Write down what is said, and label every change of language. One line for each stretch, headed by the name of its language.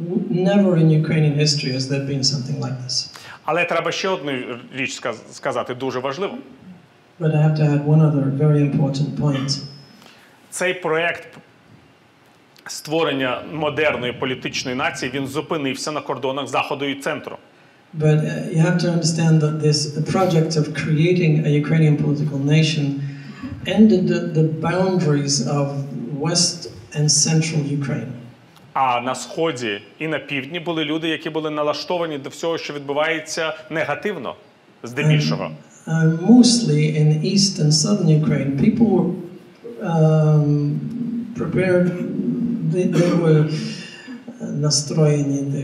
English: Never in Ukrainian history has there been something like this.
Ukrainian: Але треба ще одну річ сказати, дуже важливо.
English: But I have to add one other very important point.
Ukrainian: Цей проєкт створення модерної політичної нації, він зупинився на кордонах Заходу і Центру.
English: But you have to understand that this project of creating a Ukrainian political nation ended the boundaries of West and Central Ukraine.
Ukrainian: А на Сході і на Півдні були люди, які були налаштовані до всього, що відбувається негативно, здебільшого.
English: Mostly in East and Southern Ukraine, people were prepared, they were
Ukrainian: настроєні,